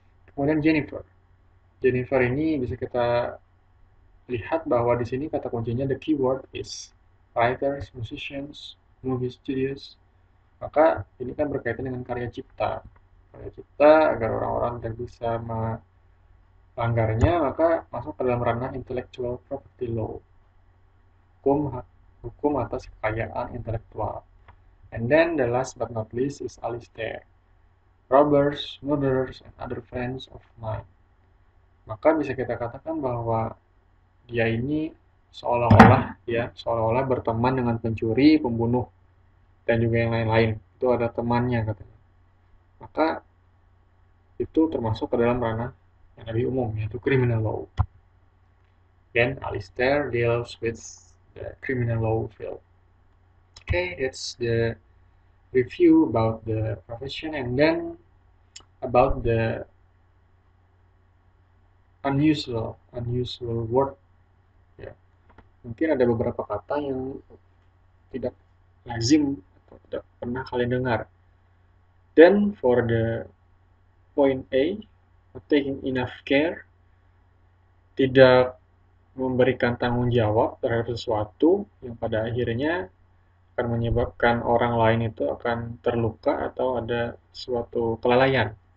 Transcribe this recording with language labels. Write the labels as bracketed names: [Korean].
[Indonesian] Kemudian Jennifer. Jennifer ini bisa kita lihat bahwa di sini kata kuncinya, [English] the keyword is writers, musicians, movie studios. [Indonesian] Maka ini kan berkaitan dengan karya cipta. Karya cipta agar orang-orang tidak bisa melanggarnya, maka masuk ke dalam ranah intellectual property law, hukum hukum atas kekayaan intelektual. [English] And then the last but not least is Alistair, robbers, murderers, and other friends of mine. [Indonesian] Maka bisa kita katakan bahwa dia ini seolah-olah ya, seolah-olah berteman dengan pencuri, pembunuh, dan juga yang lain-lain. Itu ada temannya katanya. Maka itu termasuk ke dalam ranah yang lebih umum, yaitu criminal law. [English] Dan Alistair deals with the criminal law field. Okay, that's the review about the profession and then about the unusual word. [Indonesian] Mungkin ada beberapa kata yang tidak lazim atau tidak pernah kalian dengar. [English] Then for the point A, not taking enough care, [Indonesian] tidak memberikan tanggung jawab terhadap sesuatu yang pada akhirnya akan menyebabkan orang lain itu akan terluka atau ada suatu kelalaian.